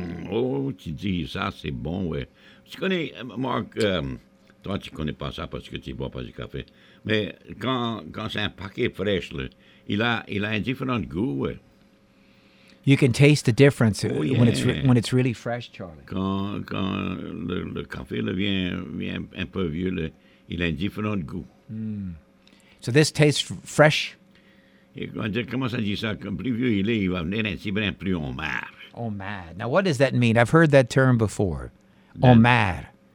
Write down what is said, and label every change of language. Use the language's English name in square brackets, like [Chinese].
[French] Oh, tu dis ça, c'est bon, ouais. Tu connais, Marc, toi, tu connais pas ça parce que tu bois pas du café. Mais quand c'est un paquet fraîche, là, il a un différent goût, ouais. [English] You can taste the difference when it's really fresh, Charlie. [French] Quand le café là, vient un peu vieux, là, il a un différent goût. [English] So this tastes fresh? [French] Comment ça dit ça? Plus vieux il est, il va venir un petit brin plus homard. [English] Homard. Now, what does that mean? I've heard that term before. Homard.